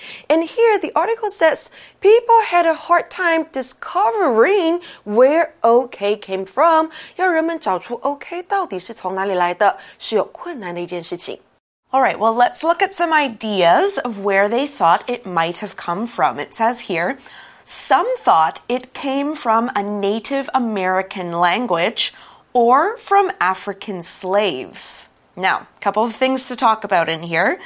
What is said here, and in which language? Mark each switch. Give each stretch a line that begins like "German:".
English: And here the article says, people had a hard time discovering where OK came from.
Chinese: 要人们找出 OK 到底是从哪里来的，是有困难的一件事情。
English: All right, well, let's look at some ideas of where they thought it might have come from. It says here, some thought it came from a Native American language or from African slaves. Now, a couple of things to talk about in here.